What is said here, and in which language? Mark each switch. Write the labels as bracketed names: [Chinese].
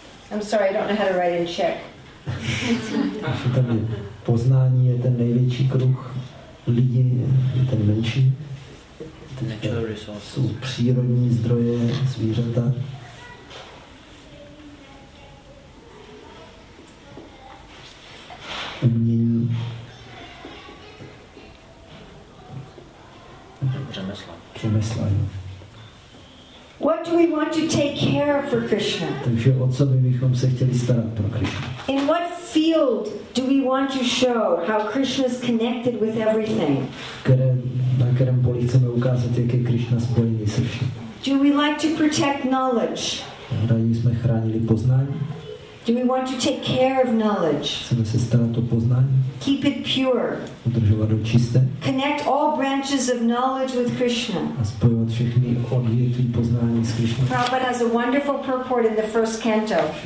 [English] I'm sorry, I don't know how to write in Czech. [Czech] Tady poznání je ten největší kruh lidí, ten menší. Jsou přírodní zdroje, zvířata. Umění. Přemysla. [English] What do we want to take care of for Krishna? [Czech] Takže o co by bychom se chtěli starat pro Krishna? [English] In what field do we want to show how Krishna is connected with everything? [Czech] Na kterém poli chceme ukázat, jak je Krishna spojený se vším? [English] Do we like to protect knowledge? [Czech] Rádi jsme chránili poznání. [English] Do we want to take care of knowledge? [Czech] Chceme se starat o poznání. [English] Keep it pure. [Czech] Udržovat ho čisté. [English] Connect all branches of knowledge with Krishna. [Czech] A spojovat všechny odvětví poznání s Krishnou. [English] Prabhupada has a wonderful purport in the first canto.